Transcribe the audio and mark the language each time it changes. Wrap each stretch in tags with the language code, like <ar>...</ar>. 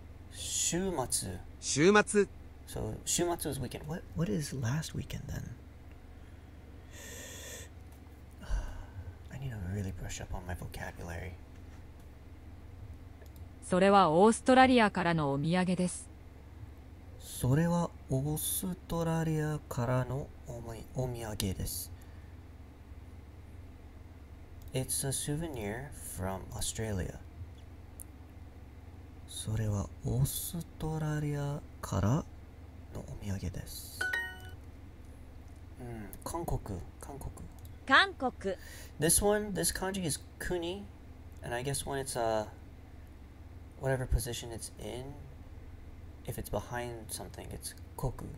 <en>週末.So, 週末 is weekend. What is last weekend then? I need to really brush up on my vocabulary.</en> <ja>それはオーストラリアからのお土産です。それはオーストラリアからのお土産です。</ja> <en>It's a souvenir from Australia.</en> <ja>それはオーストラリアからのお土産です。韓国。韓国。</ja> <en>This kanji is kuni, and I guess when it's a... whatever position it's in, if it's behind something, it's koku.</en>